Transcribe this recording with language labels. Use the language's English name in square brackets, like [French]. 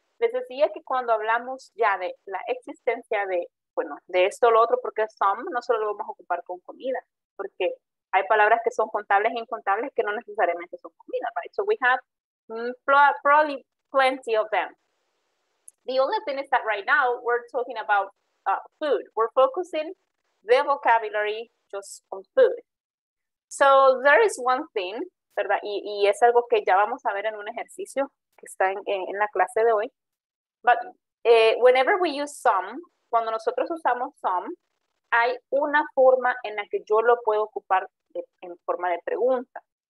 [Spanish] Les decía que cuando hablamos ya de la existencia de, bueno, de esto o lo otro, porque some no solo lo vamos a ocupar con comida, porque hay palabras que son contables e incontables que no necesariamente son comida, [English] right? So we have probably plenty of them. The only thing is that right now we're talking about food. We're focusing the vocabulary just on food. So there is one thing, [Spanish] ¿verdad? Y es algo que ya vamos a ver en un ejercicio que está en la clase de hoy. [English] But whenever we use some, [Spanish] cuando nosotros usamos some, hay una forma en la que yo lo puedo ocupar en forma de pregunta.